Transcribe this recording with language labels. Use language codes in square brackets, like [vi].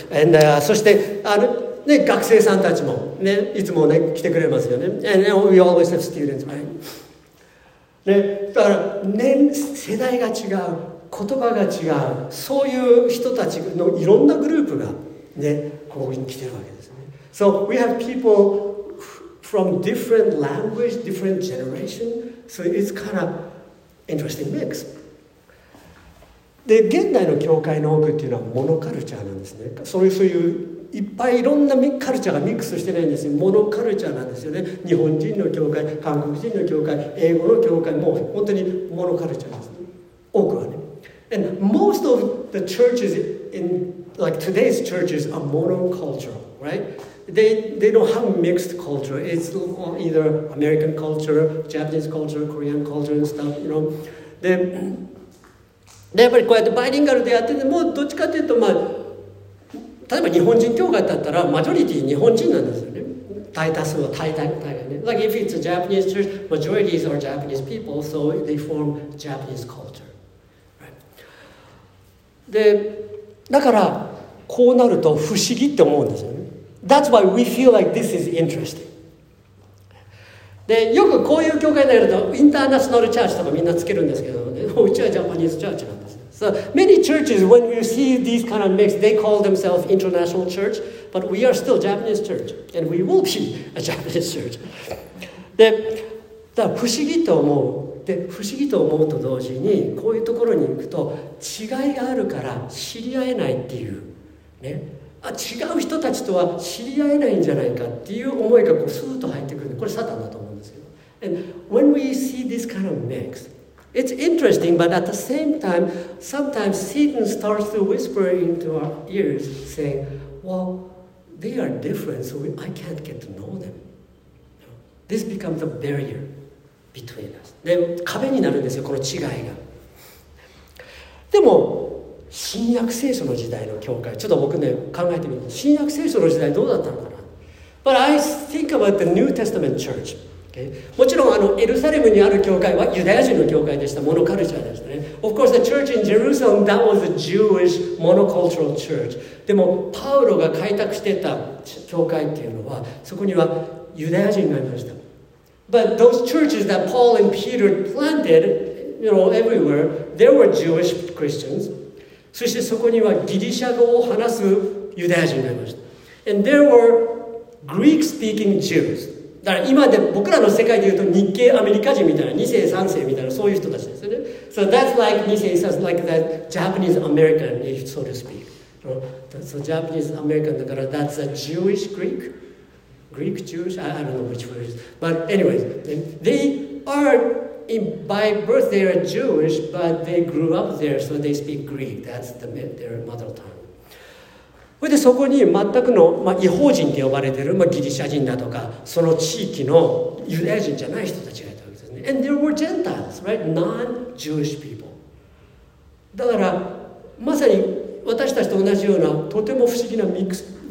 [ja] And, そして、ね、学生さんたちも、ね、いつも、ね、来てくれますよね。 [en] And we always have students, right? [ja] ね、だから年世代が違う、言葉が違う、そういう人たちのいろんなグループがね、ここに来てるわけですね。 [en] So we have people from different language, different generation. So it's kind of interesting mix. [ja] で、現代の教会の多くっていうのはモノカルチャーなんですね。そういう。いっぱいいろんなカルチャーがミックスしてないんですよ。モノカルチャーなんですよね。日本人の教会、韓国人の教会、英語の教会、もう本当にモノカルチャーです、ね。多くはね。 [en] And most of the churches in like today's churches are monocultural, right? They don't have mixed culture. It's either American culture, Japanese culture, Korean culture and stuff, you know. [ja] でやっぱりこうやってバイリンガルでやってても、どっちかというとまあ例えば日本人教会だったらマジョリティ日本人なんですよね。大多数は大概ね。 [en] Like if it's a Japanese church, majorities are Japanese people, so they form Japanese culture.、 Right. [ja] で、だからこうなると不思議って思うんですよね。 [en] That's why we feel like this is interesting. [ja] で、よくこういう教会になるとインターナショナルチャーチとかみんなつけるんですけど、ね、うちはジャパニーズチャーチなんです。 [en] So many churches, when you see these kind of mix, they call themselves international church. But we are still Japanese church, and we will be a Japanese church. [ja] で、だ不思議と思う。で、不思議と思うと同時に、こういうところに行くと違いがあるから知り合えないっていう、ね、あ、違う人たちとは知り合えないんじゃないかっていう思いがこうスーッと入ってくる。これサタンだと思うんですけど。 [en] And when we see this kind of mix, it's interesting, but at the same time, sometimes Satan starts to whisper into our ears, saying, well, they are different, so I can't get to know them. This becomes a barrier between us. [ja] で、壁になるんですよ、この違いが。でも、新約聖書の時代の教会、ちょっと僕ね、考えてみて、新約聖書の時代どうだったのかな。 [en] But I think about the New Testament church.、Okay? [ja] もちろん、エルサレムにある教会はユダヤ人の教会でした、モノカルチャーでしたね。 [en] Of course, the church in Jerusalem, that was a Jewish monocultural church. [ja] でも、パウロが開拓してた教会っていうのは、そこにはユダヤ人がいました。 [en] But those churches that Paul and Peter planted, you know, everywhere, there were Jewish Christians. [ja] そしてそこにはギリシャ語を話すユダヤ人がいました。 [en] And there were Greek-speaking Jews. [ja] だから今で僕らの世界で言うと日系アメリカ人みたいな、2世、3世みたいな、そういう人たちですよね。 [en] So that's like, 2世、3世、like that Japanese American, if so to speak. So Japanese American, だから that's a Jewish Greek. Greek, Jewish, I don't know which word it is. But anyways, they are, in, by birth they are Jewish, but they grew up there, so they speak Greek. That's the, their mother tongue. [ja] でそこに全くの、まあ、異邦人と呼ばれている、まあ、ギリシャ人だとか、その地域のユダヤ人じゃない人たちがいたわけですね。 [en] And there were Gentiles, right? Non-Jewish people. [ja] だから、まさに私たちと同じような、とても不思議なミックス。